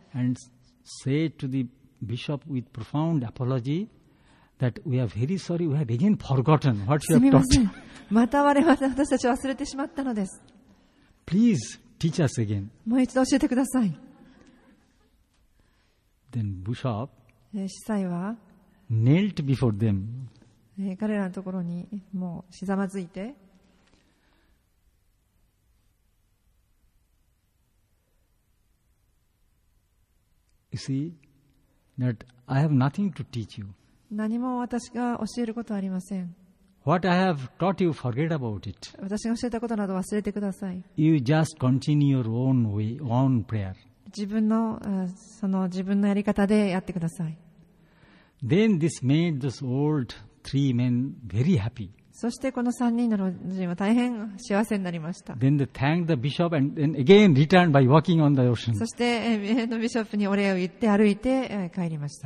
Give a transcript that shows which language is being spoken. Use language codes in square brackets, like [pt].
[en] and said to the bishop with profound apology that we are very sorry, we have again forgotten what you have taught. [ja] また我々私たち忘れてしまったのです。 [en] Please teach us again. [ja] もう一度教えてください。 [en] Then bishop, [ja] 司祭は [en] knelt before them. [ja] 彼らのところにもうしざまずいて。 [en] You see, that I have nothing to teach you. [ja] 何も私が教えることはありません。 [en] What I have taught you, forget about it. [ja] 私が教えたことなど忘れてください。 [en] You just continue your own way, own prayer. [ja] 自分の、その自分のやり方でやってください。 [en] Then this made those old three men very happy. [ja] そしてこの3人の老人は大変幸せになりました。 [en] Then they thanked the bishop and then again returned by walking on the ocean. [ja] そして、ビショップにお礼を言って歩いて帰りました。